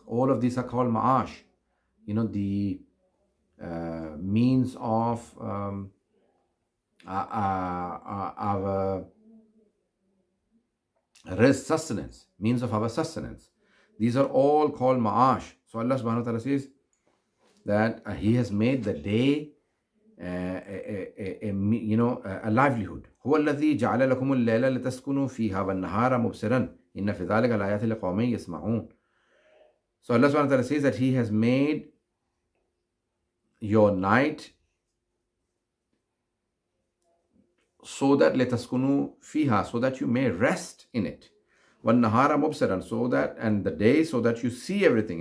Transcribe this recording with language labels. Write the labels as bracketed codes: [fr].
[en] All of these are called maash. You know, the means of our risk, sustenance, means of our sustenance. These are all called ma'ash. So Allah subhanahu wa ta'ala says that He has made the day a livelihood. [ar] هو الذي جعل لكم الليل لتسكنوا فيها والنهار مبصرا إن في ذلك الآيات لقوم يسمعون. [en] So Allah subhanahu wa ta'ala says that He has made your night so that [ar] letaskunu fiha, [en] so that you may rest in it. [ar] Wannahara mubsiran, [en] so that, and the day, so that you see everything.